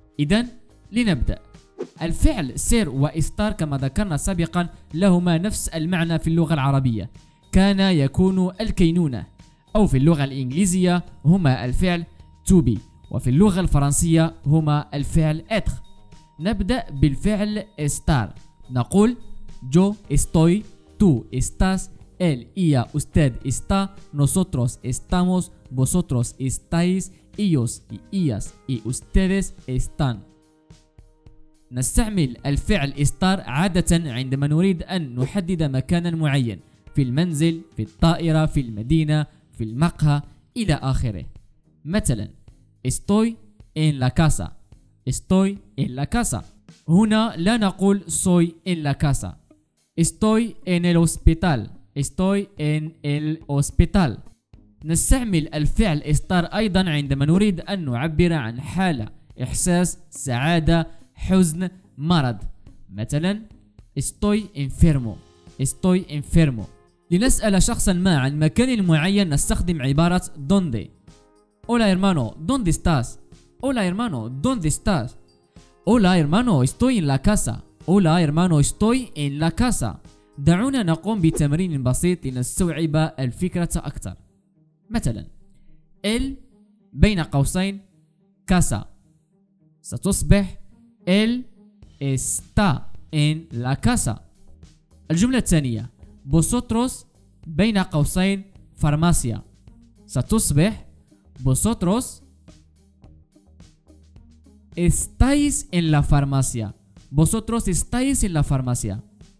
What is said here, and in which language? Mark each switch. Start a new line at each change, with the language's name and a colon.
Arabic: إذا لنبدأ. الفعل سير وإستار كما ذكرنا سابقا لهما نفس المعنى في اللغة العربية، كان يكون الكينونة، أو في اللغة الإنجليزية هما الفعل
English: to be،
Arabic: وفي اللغة الفرنسية هما الفعل être. نبدأ بالفعل إستار، نقول
Spanish: yo estoy, tú estás, él y usted está, nosotros estamos, vosotros estáis, ellos y ellas y ustedes están.
Arabic: نستعمل الفعل إستار عادة عندما نريد أن نحدد مكانا معين، في المنزل، في الطائرة، في المدينة، في المقهى إلى آخره. مثلا
Spanish: estoy en la casa، estoy en la casa،
Arabic: هنا لا نقول
Spanish: soy en la casa. estoy en el hospital، estoy en el hospital.
Arabic: نستعمل الفعل إستار أيضا عندما نريد أن نعبر عن حالة، إحساس، سعادة، حزن، مرض. مثلا
Spanish: estoy enfermo، estoy enfermo.
Arabic: لنسأل شخصا ما عن مكان معين نستخدم عبارة donde.
Spanish: hola hermano donde estás، hola hermano donde estás، hola hermano estoy en la casa، hola hermano estoy en la casa.
Arabic: دعونا نقوم بتمرين بسيط لنستوعب الفكرة أكثر. مثلا
Spanish: el
Arabic: بين قوسين
Spanish: casa
Arabic: ستصبح
Spanish: él está en la casa.
Arabic: الجملة الثانية
Spanish: vosotros
Arabic: بين قوسين
Spanish: farmacia
Arabic: ستصبح
Spanish: vosotros estáis en la farmacia، vosotros estáis en la farmacia.